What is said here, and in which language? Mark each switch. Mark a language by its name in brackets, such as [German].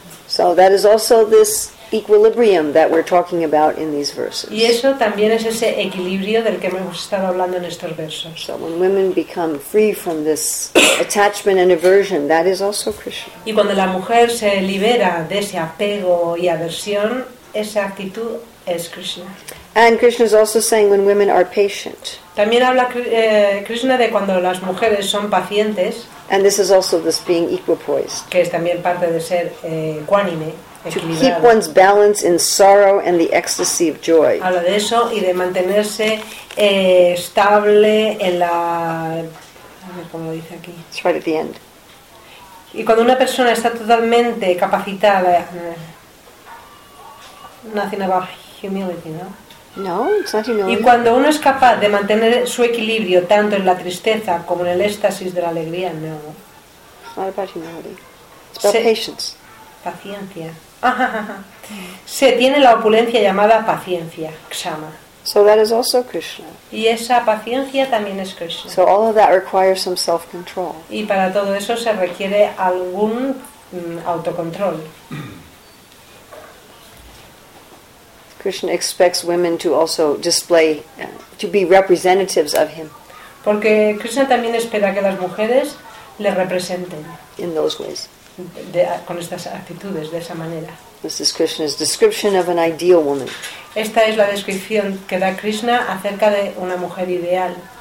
[English] So that is also this equilibrium that we're talking about in these verses. [Spanish] Y eso también es ese equilibrio del que hemos estado hablando en estos versos. [English] So when women become free from this attachment and aversion, that is also Krishna. [Spanish] Y cuando la mujer se libera de ese apego y aversión, esa actitud es Krishna. [English] And Krishna is also saying when women are patient. [Spanish] También habla Krishna de cuando las mujeres son pacientes. [English] And this is also this being equipoised. [Spanish] Que es también parte de ser ecuánime. [English] To keep one's balance in sorrow and the ecstasy of joy. [Spanish] Habla de eso y de mantenerse estable en la. A ver cómo lo dice aquí. [English] It's right at the end. [Spanish] Y cuando una persona está totalmente capacitada. [English] Nothing about humility, no? No, it's not humility. [Spanish] Y cuando uno es capaz de mantener su equilibrio tanto en la tristeza como en el éxtasis de la alegría, no. [English] It's not about humility. It's about patience. [Spanish] Paciencia. Se tiene la opulencia llamada paciencia, kshama. [English] So that is also Krishna. [Spanish] Y esa paciencia también es Krishna. [English] So all of that requires some self-control. [Spanish] Y para todo eso se requiere algún autocontrol. [English] Krishna expects women to also display, to be representatives of him. [Spanish] Porque Krishna también espera que las mujeres le representen. [English] In those ways. [Spanish] Con estas actitudes, de esa manera. [English] This is Krishna's description of an ideal woman. [Spanish] Esta es la descripción que da Krishna acerca de una mujer ideal.